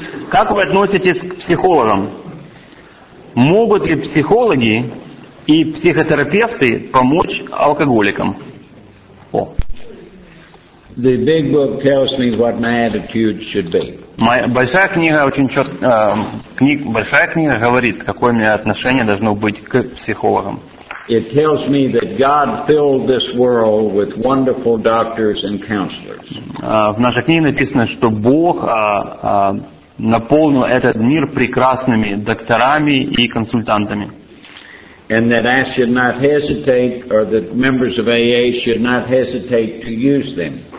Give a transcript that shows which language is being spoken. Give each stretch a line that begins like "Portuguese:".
Russian: Как вы относитесь к психологам? Могут ли психологи и психотерапевты помочь алкоголикам? О.
English: The big book tells me what my attitude should be.
Russian: Большая книга говорит, какое у меня отношение должно быть к психологам.
English: It tells me that God filled this world with wonderful doctors and counselors.
Russian: В нашей книге написано, что Бог наполнил этот мир прекрасными докторами и консультантами.
English: And that I should not hesitate, or that members of AA should not hesitate to use them.